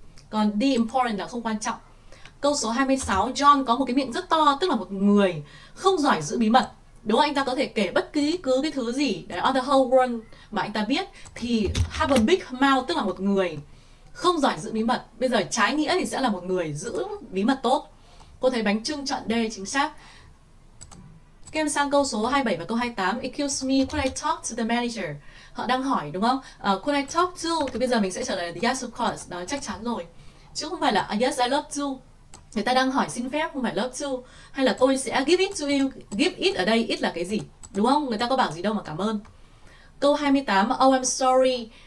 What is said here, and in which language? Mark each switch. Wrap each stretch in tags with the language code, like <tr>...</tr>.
<vi>Còn D, important, là không quan trọng. Câu số 26, John có một cái miệng rất to, tức là một người không giỏi giữ bí mật. Đúng không? Anh ta có thể kể bất cứ cái thứ gì đấy,</vi> <en>on the whole world</en> <vi>mà anh ta biết. Thì have a big mouth, tức là một người không giỏi giữ bí mật. Bây giờ trái nghĩa thì sẽ là một người giữ bí mật tốt. Cô thấy bánh trưng chọn D chính xác. Các em sang câu số 27 và câu 28.</vi> <en>Excuse me, could I talk to the manager?</en> <vi>Họ đang hỏi đúng không?</vi> <en>Could I talk to?</en> <vi>Thì bây giờ mình sẽ trả lời</vi> <en>yes of course.</en> <vi>Đó, chắc chắn rồi. Chứ không phải là</vi> <en>yes I love to.</en> <vi>Người ta đang hỏi xin phép, không phải love to. Hay là tôi sẽ</vi> <en>give it to you.</en> <vi>Give it ở đây, it là cái gì? Đúng không? Người ta có bảo gì đâu mà cảm ơn. Câu 28.</vi> <en>Oh, I'm sorry.</en>